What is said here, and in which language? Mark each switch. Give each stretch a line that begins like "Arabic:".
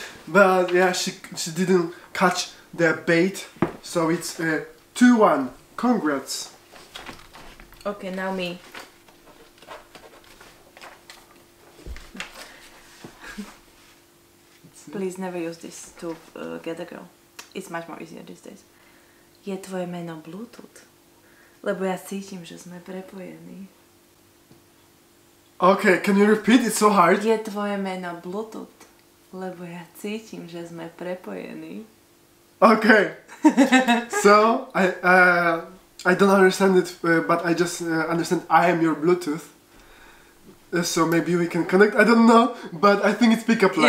English: But yeah, she didn't catch the bait, so it's 2-1. Congrats! Okay, now me. Please never use this to get a girl. It's much more easier these days.
Slovak: Je tvoje meno Bluetooth? Lebo ja cítim, že sme prepojení.
English: Okay, can you repeat? It's so hard.
Slovak: Je tvoje meno Bluetooth? Lebo ja cítim, že sme prepojení.
English: Okay. So, I don't understand it, but I just understand I am your Bluetooth. So maybe we can connect, I don't know, but I think it's pickup line.